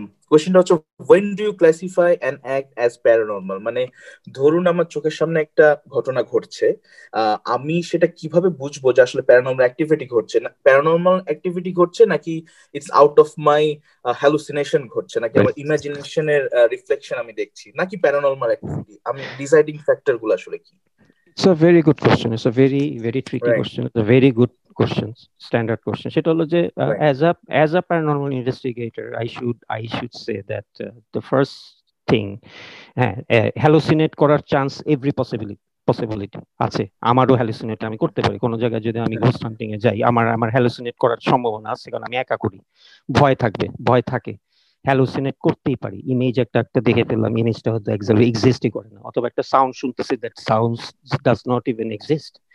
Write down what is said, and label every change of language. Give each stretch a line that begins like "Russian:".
Bangla: কোশ্চেনটা হচ্ছে
English: when do you classify an act as paranormal,
Bangla: মানে ধরুন আমার চোখের সামনে একটা ঘটনা ঘটছে, আমি সেটা কিভাবে বুঝবো যে আসলে প্যারানর্মাল অ্যাক্টিভিটি ঘটছে, না প্যারানর্মাল অ্যাক্টিভিটি ঘটছে, নাকি
English: it's out of my hallucination
Bangla: ঘটছে, নাকি আমার ইমাজিনেশনের রিফ্লেকশন আমি দেখছি, নাকি প্যারানর্মাল অ্যাক্টিভিটি, আমি ডিসাইডিং ফ্যাক্টর গুলো আসলে কি?
English: It's a very good question, it's a very very tricky question, it's a very good questions, standard question.
Bangla: সেটা হলো যে
English: as a paranormal investigator, I should say that the first thing, hallucinate করার chance, every possibility আছে, আমারও hallucinate
Bangla: আমি করতে পারি। কোনো জায়গায় যদি আমি ghost hunting এ যাই, আমার hallucinate করার সম্ভাবনা আছে, কারণ আমি একা করি, ভয় থাকে হ্যালুসিনেট করতেই পারি। ইমেজ একটা দেখে ফেললাম, ইমেজটা হয়তো একজাক্টলি এক্সিস্টই করে না, অথবা একটা সাউন্ড শুনতেছি,
English: that sounds does not even exist.